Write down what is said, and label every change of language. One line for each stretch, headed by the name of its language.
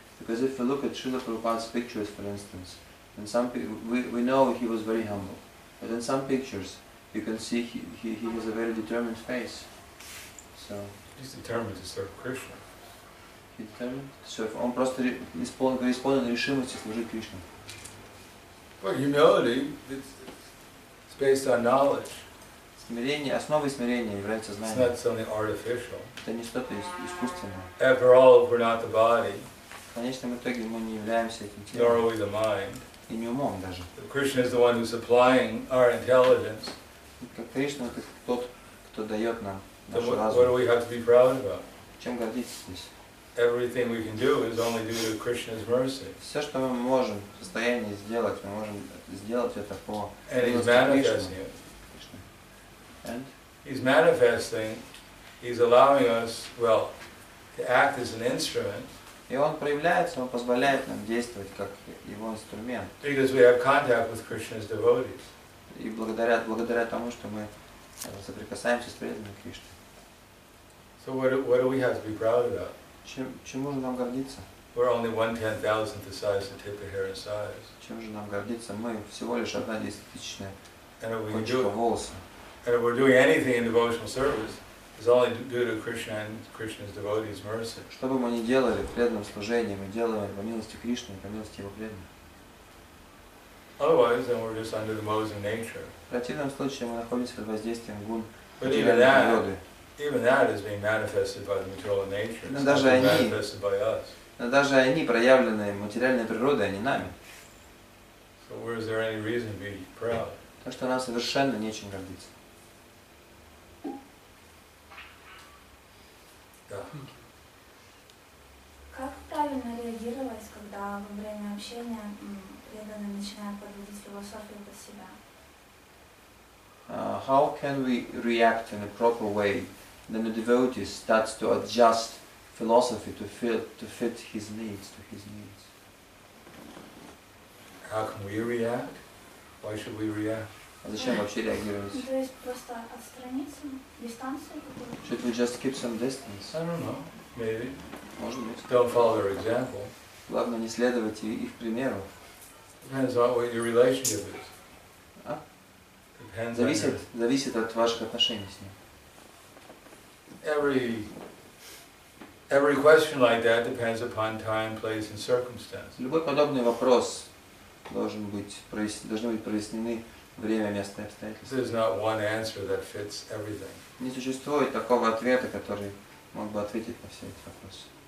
English: Because if we look at Srila Prabhupada's pictures, for instance, and some we know he was very humble, but in some pictures you can see he has a very determined face. So he's determined to serve Krishna. He's determined to serve.
Russian: Он просто исполнен решимости служить Кришне.
English: Well, humility it's based on knowledge.
Russian: Смирение, основой смирения является знание.
English: It's not something artificial.
Russian: Это не что-то искусственное.
English: After all, we're not the body.
Russian: В конечном итоге мы не являемся этим телом.
English: Nor are we the mind.
Russian: И не умом даже.
English: Krishna is the one who's supplying our intelligence.
Russian: Кришна это тот, кто дает нам.
English: What do we have to be proud about?
Russian: Чем гордиться?
English: Everything we can do is only due to Krishna's mercy.
Russian: Все, что мы можем в состоянии сделать, мы можем сделать это по Кришне.
English: And he's manifesting. He's allowing us, well, to act as an instrument.
Russian: И он проявляется, он позволяет нам действовать как его инструмент.
English: Because we have contact with Krishna's devotees.
Russian: И благодаря тому, что мы соприкасаемся с преданным Кришной.
English: So what do we have to be proud about?
Russian: Чему же нам гордиться?
English: We're only 1/10,000 the size of Tipahara size.
Russian: Чем же нам гордиться? Мы всего лишь 1/10 кончика волоса.
English: And if we're doing anything in devotional service, it's only due to Krishna and Krishna's devotees' mercy.
Russian: Что бы мы ни делали в преданном служении, мы делаем по милости Кришны и по милости Его преданных.
English: Otherwise, then we're just under the modes of nature.
Russian: В противном случае мы находимся под воздействием гун.
English: But even that is being manifested by the material nature.
Russian: Но даже они,
English: manifested by us.
Russian: Но даже они проявлены материальной природой, а не нами.
English: So where is there any reason to be proud?
Russian: Так что нам совершенно нечем гордиться. Да. Как правильно реагировать, когда во время общения преданный начинает подводить философию под себя?
English: How can we react in a proper way when the devotee starts to adjust philosophy to fit his needs, to his needs? How can we react? Why should we react?
Russian: Зачем вообще реагировать? То есть просто отстраниться, дистанцию какую-то?
English: Should we just keep some distance? I don't know. Maybe.
Russian: Может быть.
English: Don't follow their example.
Russian: Главное не следовать их примеру.
English: Depends on what your relationship is.
Russian: Зависит от ваших отношений с ним.
English: Every question like that depends upon time, place, and circumstance.
Russian: Любой подобный вопрос должны быть прояснены время, место, обстоятельства.
English: There's not one answer that fits everything.
Russian: Не существует такого ответа, который мог бы ответить на все эти вопросы.